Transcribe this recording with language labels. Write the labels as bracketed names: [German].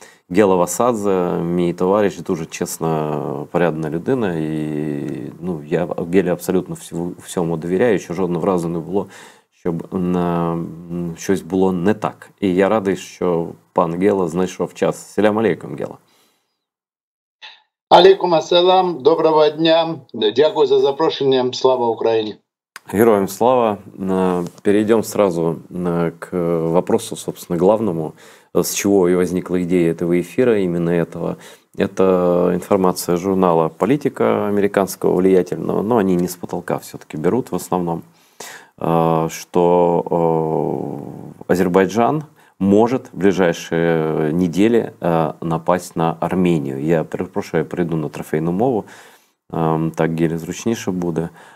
[Ukrainian] Гела Васадзе, мій товариш, дуже чесна, порядна людина, і ну, я Гелі абсолютно всьому довіряю, що жодного разу не було, щоб щось було не так. І я радий, що пан Гела знайшов час. [Arabic] Селям алейкум, Гела. Алейкум асалам, [Ukrainian] доброго дня, дякую за запрошення, слава Україні. Героям слава. [Russian] Перейдемо сразу к вопросу, собственно, главному. С чего и возникла идея этого эфира, именно этого. Это информация журнала «Политика» американского влиятельного, но они не с потолка все-таки берут в основном, что Азербайджан может в ближайшие недели напасть на Армению. [Ukrainian] Я перепрошую, перейду на трофейную мову, так Геле зручніше буде.